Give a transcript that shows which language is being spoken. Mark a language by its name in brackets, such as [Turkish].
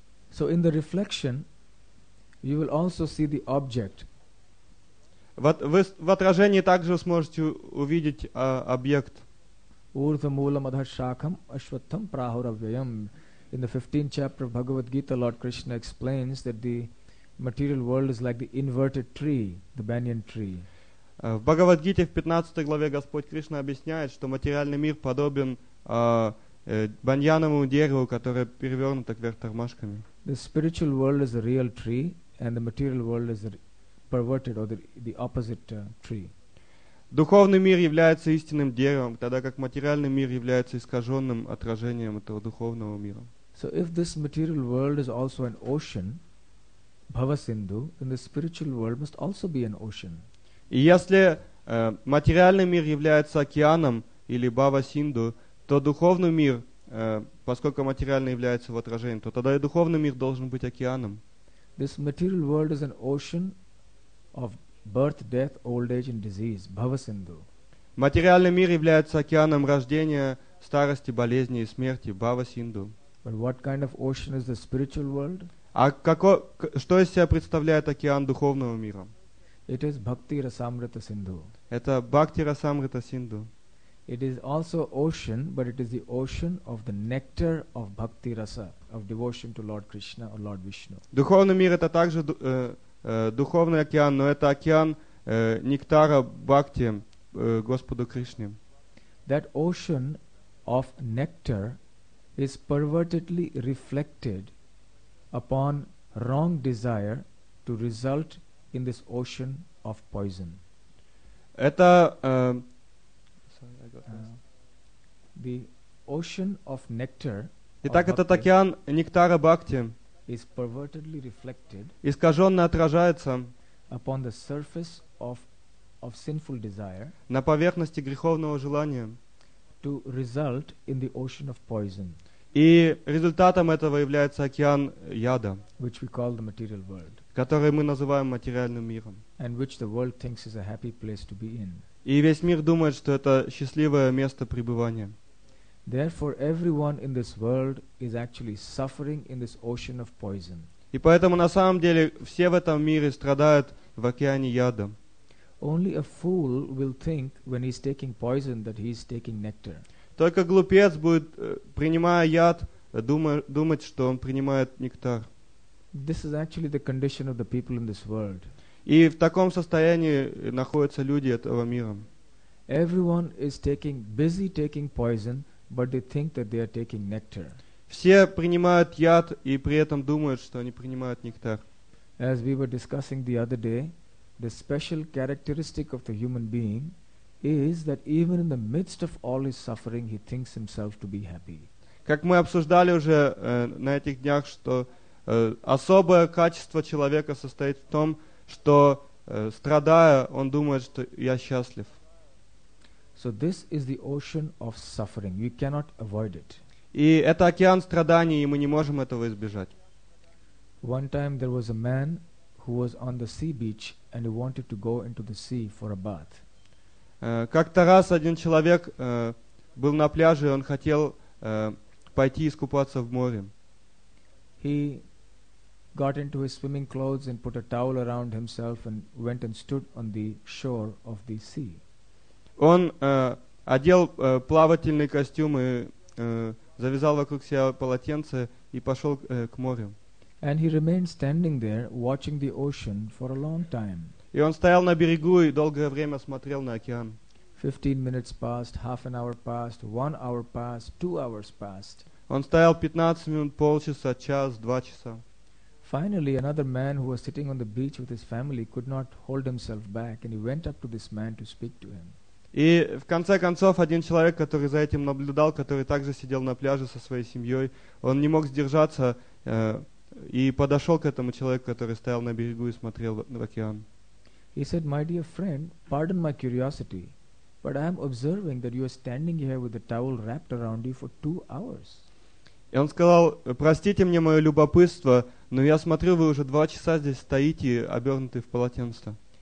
[English] So in the reflection, you will also see the object. [Russian] В отражении также сможете увидеть объект. [Sanskrit] Урдхамулам адхарсакам ашватам прахуравьям. [English] In the 15th chapter of Bhagavad Gita, Lord Krishna explains that the material world is like the inverted tree, the banyan tree. [Russian] В Бхагавад-гите в 15 главе Господь Кришна объясняет, что материальный мир подобен баньяновому дереву, которое перевернуто кверх тормашками. [English] The spiritual world is a real tree and the material world is perverted or the opposite tree. [Russian] Духовный мир является истинным деревом, тогда как материальный мир является искаженным отражением этого духовного мира. [English] So if this material world is also an ocean, Bhavasindhu, then the spiritual world must also be an ocean. [Russian] И если материальный мир является океаном или Бхавасинду, то духовный мир, поскольку материальный является в отражении, то тогда и духовный мир должен быть океаном. [English] This material world is an ocean of birth, death, old age and disease, Bhavasindhu. [Russian] Материальный мир является океаном рождения, старости, болезни и смерти, Бхавасинду. [English] But what kind of ocean is the spiritual world? [Russian] А что из себя представляет океан духовного мира? [English] It is Bhakti Rasamrita Sindhu. [Russian] Это Бхакти Расамрита Синду. [English] It is also ocean, but it is the ocean of the nectar of Bhakti Rasa, of devotion to Lord Krishna or Lord Vishnu. [Russian] Духовный мир это также духовный океан, но это океан нектара Бхакти Господу Кришне. [English] That ocean of nectar is pervertedly reflected upon wrong desire to result in this ocean of poison. [Russian] Это [English] the ocean of nectar. [Russian] Итак, этот океан нектара Бхакти [English] is pervertedly reflected, [Russian] искаженно отражается [English] upon the surface of sinful desire, [Russian] на поверхности греховного желания, [English] to result in the ocean of poison. [Russian] И результатом этого является океан яда, [English] which we call the material world, [Russian] который мы называем материальным миром. [English] And which the world thinks is a happy place to be in. [Russian] И весь мир думает, что это счастливое место пребывания. [English] Therefore, everyone in this world is actually suffering in this ocean of poison. [Russian] И поэтому на самом деле все в этом мире страдают в океане яда. [English] Only a fool will think when he's taking poison that he's taking nectar. [Russian] Только глупец будет, принимая яд, думать, что он принимает нектар. [English] This is actually the condition of the people in this world. [Russian] И в таком состоянии находятся люди этого мира. [English] Everyone is busy taking poison, but they think that they are taking nectar. [Russian] Все принимают яд и при этом думают, что они принимают нектар. [English] As we were discussing the other day, the special characteristic of the human being is that even in the midst of all his suffering, he thinks himself to be happy. [Russian] Как мы обсуждали уже на этих днях, что особое качество человека состоит в том, что страдая, он думает, что я счастлив. [English] So this is the ocean of suffering. You cannot avoid it. [Russian] И это океан страданий, и мы не можем этого избежать. [English] One time there was a man who was on the sea beach and he wanted to go into the sea for a bath. [Russian] Как-то раз один человек был на пляже, и он хотел пойти искупаться в море. [English] He got into his swimming clothes and put a towel around himself and went and stood on the shore of the sea. [Russian] Он одел плавательный костюм и завязал вокруг себя полотенце и пошел к морю. [English] And he remained standing there watching the ocean for a long time. [Russian] И он стоял на берегу и долгое время смотрел на океан. [English] 15 minutes passed, half an hour passed, 1 hour passed, 2 hours passed. [Russian] Он стоял 15 минут, полчаса, час, 2 часа. [English] Finally, another man who was sitting on the beach with his family could not hold himself back, and he went up to this man to speak to him. [Russian] И в конце концов один человек, который за этим наблюдал, который также сидел на пляже со своей семьей, он не мог сдержаться и подошел к этому человеку, который стоял на берегу и смотрел в океан. [English] He said, "My dear friend, pardon my curiosity, but I am observing that you are standing here with a towel wrapped around you for 2 hours." [Russian] И он сказал, простите мне мое любопытство, но я смотрю, вы уже 2 часа здесь стоите, обернутые в полотенце.